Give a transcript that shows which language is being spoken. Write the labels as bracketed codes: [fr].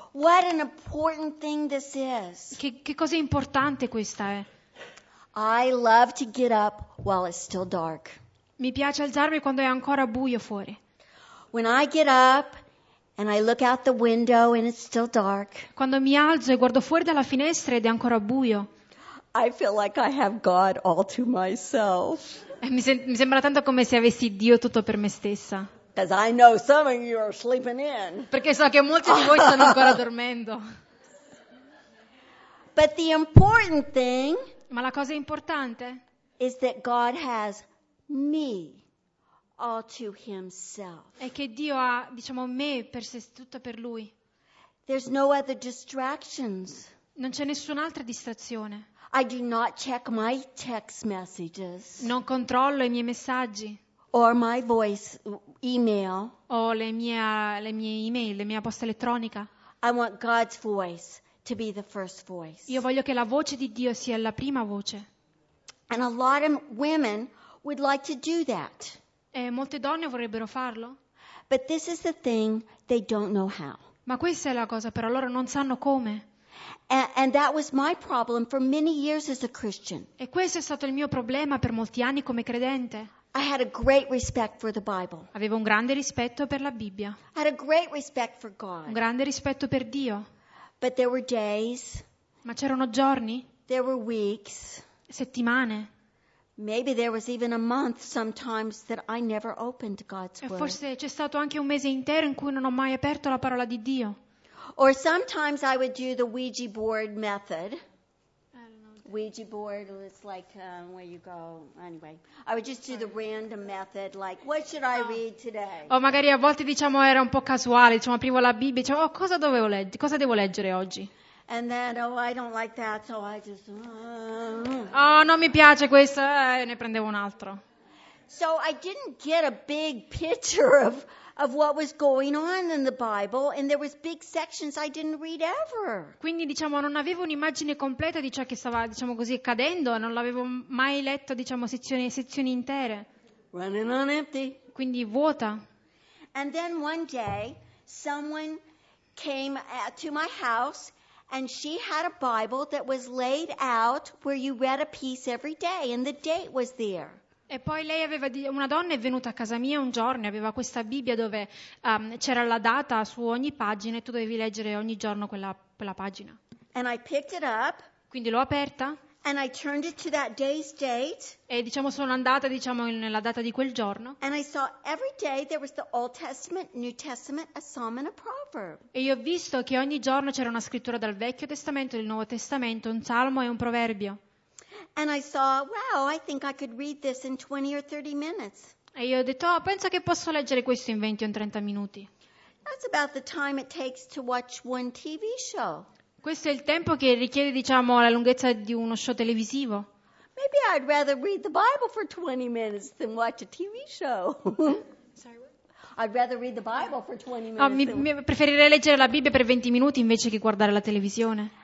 [en] What an important thing this is. [it] Che cosa importante questa è. [en] I love to get up while it's still dark. [it] Mi piace alzarmi quando è ancora buio fuori. [en] When I get up and I look out the window and it's still dark. [it] Quando mi alzo e guardo fuori dalla finestra ed è ancora buio. [en] I feel like I have God all to myself. [it] Mi sembra tanto come se avessi Dio tutto per me stessa. [en] Because I know some of you are sleeping in. [it] Perché so che molti di voi stanno ancora dormendo. [en] But the important thing. [it] Ma la cosa importante. [en] Is that God has me all to himself. [it] È che Dio ha, diciamo, me per sé, tutto per lui. [en] There's no other distractions. [it] Non c'è nessun'altra distrazione. [en] I do not check my text messages. [it] Non controllo i miei messaggi. [en] Or my voice email. [it] O le mie email, la mia posta elettronica. [en] I want God's voice to be the first voice. [it] Io voglio che la voce di Dio sia la prima voce. [en] And a lot of women would like to do that. [it] E molte donne vorrebbero farlo. [en] But this is the thing they don't know how. [it] Ma questa è la cosa, però loro non sanno come. [en] And that was my problem for many years as a Christian. [it] E questo è stato il mio problema per molti anni come credente. [en] I had a great respect for the Bible. [it] Avevo un grande rispetto per la Bibbia. [en] I had a great respect for God. [it] Un grande rispetto per Dio. [en] But there were days. [it] Ma c'erano giorni. [en] There were weeks. [it] Settimane. [en] Maybe there was even a month sometimes that I never opened God's word. [it] E forse c'è stato anche un mese intero in cui non ho mai aperto la parola di Dio. [en] Or sometimes I would do the Ouija board method. I don't know. Ouija board, it's like where you go. Anyway, I would just do the random method, like what should I read today? [it] O magari a volte, diciamo, era un po' casuale, diciamo, aprivo la Bibbia, diciamo, oh, cosa devo leggere oggi? [en] And then, oh, I don't like that, so I just. [it] Oh, non mi piace questo, ne prendevo un altro. [en] So I didn't get a big picture of what was going on in the Bible, and there was big sections I didn't read ever. [it] Quindi diciamo non avevo un'immagine completa di ciò che stava, diciamo così, accadendo, non l'avevo mai letto, diciamo, sezioni intere. [en] Running on empty. [it] Quindi vuota. [en] And then one day someone came to my house. And she had a Bible that was laid out where you read a piece every day, and the date was there. [it] E poi lei aveva una donna è venuta a casa mia un giorno, aveva questa Bibbia dove c'era la data su ogni pagina e tu dovevi leggere ogni giorno quella pagina. [en] And I picked it up. [it] Quindi l'ho aperta. [en] And I turned it to that day's date. [it] E diciamo sono andata diciamo nella data di quel giorno. [en] And I saw every day there was the Old Testament, New Testament, a Psalm and a Proverb. [it] E io ho visto che ogni giorno c'era una scrittura dal Vecchio Testamento, del Nuovo Testamento, un Salmo e un Proverbio. [en] And I saw, wow, I think I could read this in 20 or 30 minutes. [it] E io ho detto, oh, penso che posso leggere questo in 20 o 30 minuti. [en] That's about the time it takes to watch one TV show. [it] Questo è il tempo che richiede, diciamo, la lunghezza di uno show televisivo. [en] Maybe I'd rather read the Bible for 20 minutes than watch a TV show. I'd rather read the Bible for 20 minutes. [it] Mi preferirei leggere la Bibbia per 20 minuti invece che guardare la televisione.